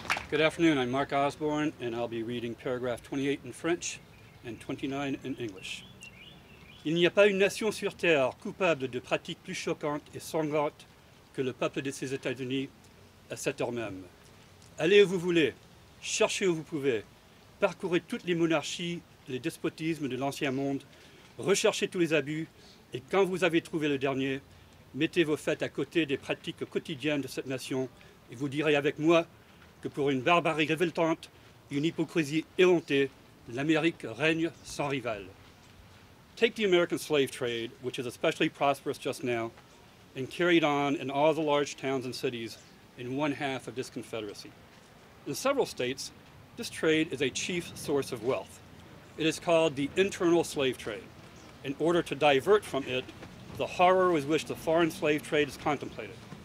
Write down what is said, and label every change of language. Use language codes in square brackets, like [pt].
[en] Good afternoon, I'm Mark Osborne, and I'll be reading paragraph 28 in French and 29 in English. [fr] Il n'y a pas une nation sur terre coupable de pratiques plus choquantes et sanglantes que le peuple de ces États-Unis à cette heure même. Allez où vous voulez, cherchez où vous pouvez, parcourez toutes les monarchies, les despotismes de l'ancien monde, recherchez tous les abus, et quand vous avez trouvé le dernier, mettez vos faits à côté des pratiques quotidiennes de cette nation, et vous direz avec moi que pour une barbarie révoltante, une hypocrisie éhontée, l'Amérique règne sans rival. [en] Take the American slave trade, which is especially prosperous just now, and carried on in all the large towns and cities in one half of this Confederacy. In several states, this trade is a chief source of wealth. It is called the internal slave trade. In order to divert from it, the horror with which the foreign slave trade is contemplated.